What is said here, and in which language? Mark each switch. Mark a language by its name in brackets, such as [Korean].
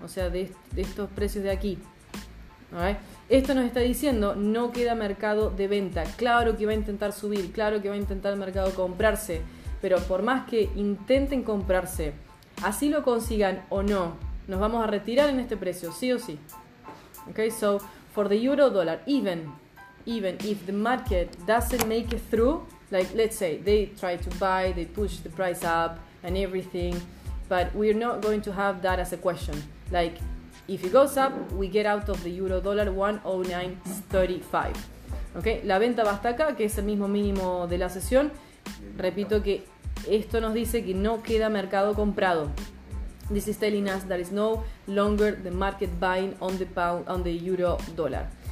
[Spanish] O sea, de estos precios de aquí. ¿Vale? Esto nos está diciendo no queda mercado de venta. Claro que va a intentar subir. Claro que va a intentar el mercado comprarse. Pero por más que intenten comprarse, así lo consigan o no, nos vamos a retirar en este precio, sí o sí. [English] Okay, so for the euro dollar, even if the market doesn't make it through, like let's say they try to buy, they push the price up and everything, but we're not going to have that as a question. Like if it goes up, we get out of the euro dollar 109.35. [Spanish] Okay, la venta va hasta acá, que es el mismo mínimo de la sesión. Repito que esto nos dice que no queda mercado comprado. [English] This is telling us that it's no longer the market buying on the pound, on the euro dollar.